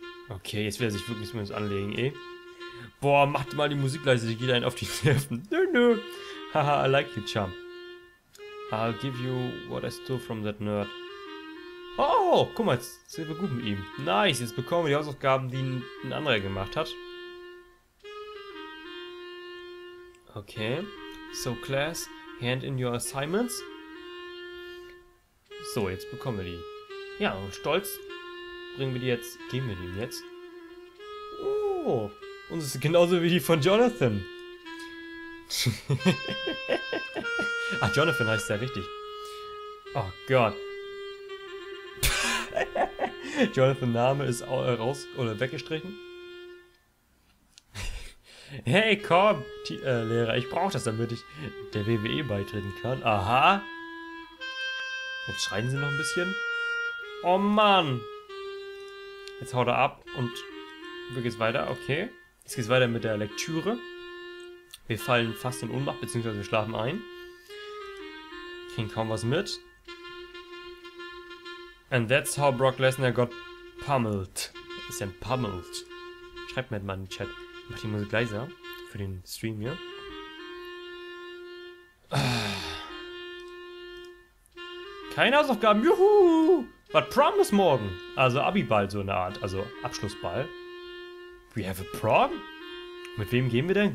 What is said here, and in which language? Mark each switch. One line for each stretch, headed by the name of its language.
German: Okay, jetzt will er sich wirklich mit uns anlegen, eh. Boah, mach mal die Musik leise, die geht einen auf die Nerven. Nö, nö.
English: Haha, I like you, Chum. I'll give you what I stole from that nerd.
German: Oh, guck mal, jetzt sind wir gut mit ihm. Nice, jetzt bekommen wir die Hausaufgaben, die ein anderer gemacht hat. Okay.
English: So, Class, hand in your assignments.
German: So, jetzt bekommen wir die. Ja, und stolz bringen wir die jetzt, geben wir die jetzt. Oh. Und es ist genauso wie die von Jonathan. Ach, Jonathan heißt er, richtig. Oh Gott. Jonathan Name ist raus oder weggestrichen. Hey, komm, Lehrer, ich brauche das, damit ich der WWE beitreten kann. Aha. Jetzt schreien sie noch ein bisschen. Oh Mann. Jetzt haut er ab und wie geht's weiter? Okay. Jetzt geht's weiter mit der Lektüre. Wir fallen fast in Ohnmacht, beziehungsweise wir schlafen ein. Kriegen kaum was mit.
English: And that's how Brock Lesnar got pummeled.
German: Was ist denn pummeled? Schreibt mir mal in den Chat. Ich mach die Musik leiser für den Stream hier. Keine Hausaufgaben, juhu! But Prom ist morgen. Also Abiball so eine Art, also Abschlussball.
English: We have a prom?
German: Mit wem gehen wir denn?